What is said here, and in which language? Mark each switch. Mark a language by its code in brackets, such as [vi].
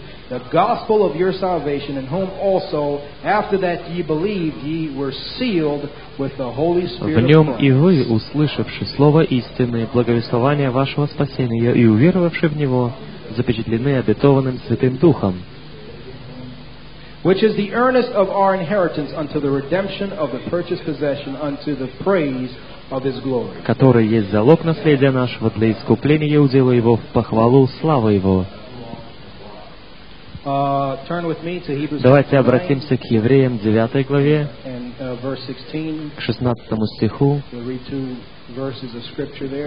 [en] The gospel of your salvation, in whom also, after that ye believed, ye were sealed with the Holy Spirit of Christ. [ru] В нем и вы, услышавши слово истины, благовествование вашего спасения, и уверовавши в него, запечатлены обетованным Святым Духом. [en] Which is the earnest of our inheritance unto the redemption of the purchased possession unto the praise of His glory. [ru] Который есть залог наследия нашего для искупления удела Его в похвалу славы Его. [en] Turn with me to Hebrews. [ru] Давайте обратимся к Евреям 9 главе, к 16 стиху. [en] We'll read two verses of scripture there.